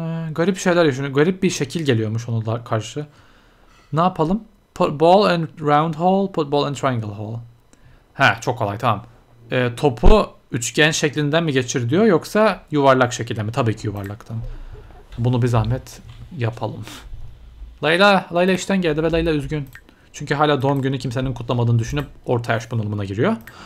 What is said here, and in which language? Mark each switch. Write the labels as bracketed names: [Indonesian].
[Turkish] garip şeyler yaşıyor. Garip bir şekil geliyormuş ona karşı. Ne yapalım? [English] Put ball and round hole, put ball and triangle hole. [Turkish] He, çok kolay, tamam. Topu üçgen şeklinden mi geçir diyor yoksa yuvarlak şekilde mi? Tabii ki yuvarlaktan. Bunu bir zahmet yapalım. Layla işten geldi ve Layla üzgün. Çünkü hala doğum günü kimsenin kutlamadığını düşünüp orta yaş bunalımına giriyor.